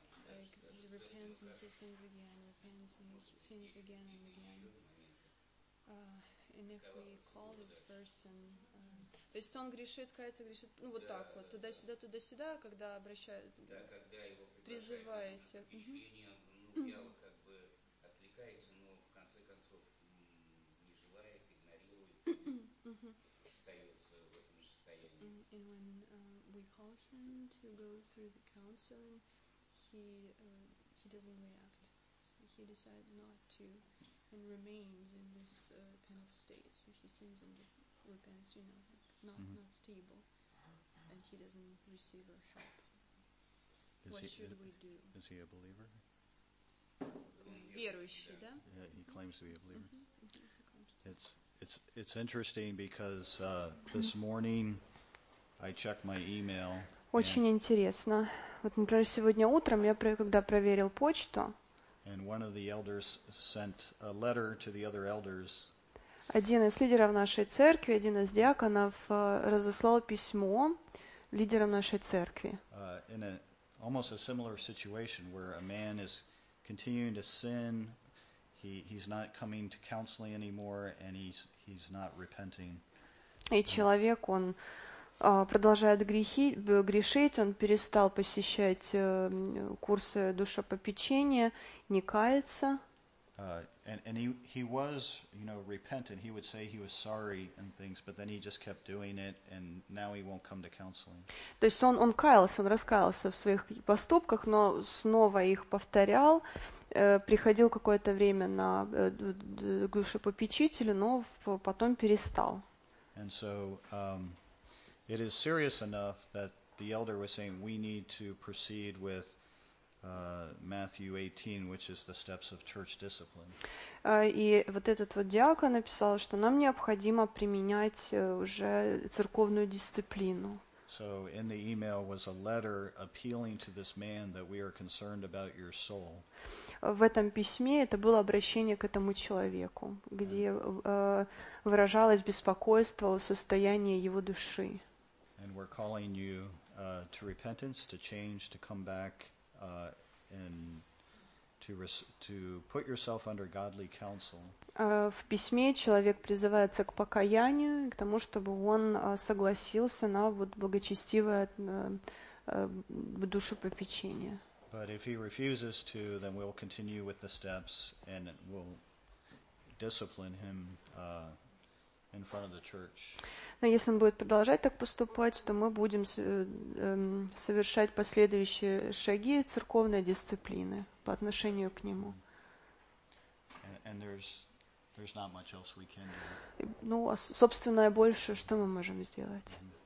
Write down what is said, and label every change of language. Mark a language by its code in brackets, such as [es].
[en] Like, he repents and he sins again, repents and he sins again and again. And if we call this person... [ru] То есть он грешит, кается, грешит, ну вот так вот, туда-сюда, туда-сюда, когда обращают, призываете. [en] To go through the counseling, he doesn't react. So he decides not to, and remains in this kind of state. So he sins and repents. You know, not stable. and he doesn't receive our help. What should we do? Is he a believer? [ru] Верующий, да? [en] Yeah, he claims to be a believer. It's interesting because this morning I checked my email. [ru] Очень интересно. Вот, например, сегодня утром я когда проверил почту. [en] And one of the elders sent a letter to the other elders. [ru] Один из лидеров нашей церкви, один из диаконов, разослал письмо лидерам нашей церкви. [en] In a almost a similar situation where a man is continuing to sin. He's not coming to counseling anymore, and he's not repenting. [ru] И человек, он продолжает грешить, он перестал посещать курсы душепопечения, не кается. [en] And he was, you know, repentant. He would say he was sorry and things, but then he just kept doing it, and now he won't come to counseling. [ru] То есть он каялся, он раскаялся в своих поступках, но снова их повторял. Приходил какое-то время на душепопечителя, но потом перестал. [en] And so, it is serious enough that the elder was saying we need to proceed with Matthew 18, which is the steps of church discipline. [ru] И вот этот вот диакон написал, что нам необходимо применять уже церковную дисциплину. [en] So in the email was a letter appealing to this man that we are concerned about your soul. [ru] В этом письме это было обращение к этому человеку, где выражалось беспокойство о состоянии его души. [en] And we're calling you to repentance, to change, to come back and to put yourself under godly counsel. [ru] В письме человек призывается к покаянию, к тому, чтобы он согласился на вот благочестивое душепопечение. [en] But if he refuses to, then we'll continue with the steps and we'll discipline him in front of the church. [ru] Но если он будет продолжать так поступать, то мы будем совершать последующие шаги церковной дисциплины по отношению к нему. [en] And there's not much else we can do. [ru] Ну, а собственно, и больше, что мы можем сделать?